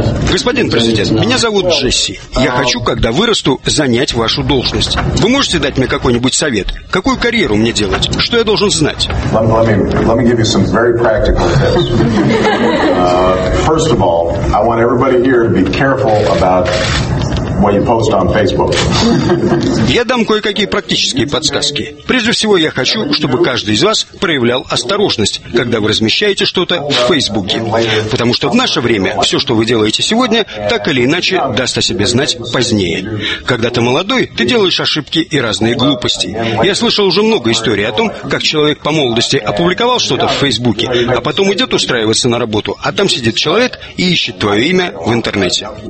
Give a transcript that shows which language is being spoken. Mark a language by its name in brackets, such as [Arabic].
[Russian] Господин президент, меня зовут Джесси. Я хочу, когда вырасту, занять вашу должность. Вы можете дать мне какой-нибудь совет? Какую карьеру мне делать? Что я должен знать? [English] Let me give you some very practical tips. First of all, I want everybody here to be careful about what you post on Facebook. [Russian] Я дам кое-какие практические подсказки. Прежде всего, я хочу, чтобы каждый из вас проявлял осторожность, когда вы размещаете что-то в Фейсбуке. Потому что в наше время все, что вы делаете сегодня, так или иначе даст о себе знать позднее. Когда ты молодой, ты делаешь ошибки и разные глупости. Я слышал уже много историй о том, как человек по молодости опубликовал что-то в Фейсбуке, а потом идет устраиваться на работу, а там сидит человек и ищет твое имя в интернете.